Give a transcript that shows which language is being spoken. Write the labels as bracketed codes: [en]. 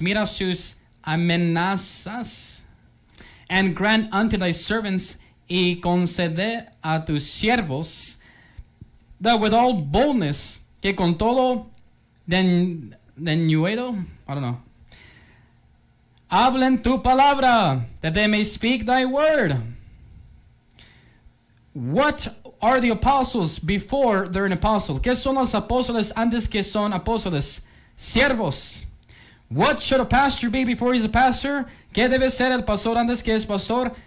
[es] Mira sus amenazas. [en] And grant unto thy servants, [es] y concede a tus siervos, [en] that with all boldness, [es] que con todo denuedo, [en] I don't know, [es] hablen tu palabra, [en] that they may speak thy word. What are the apostles before they're an apostle? [es] ¿Qué son los apóstoles antes que son apóstoles? Siervos. [en] What should a pastor be before he's a pastor? [es] ¿Qué debe ser el pastor antes que es pastor?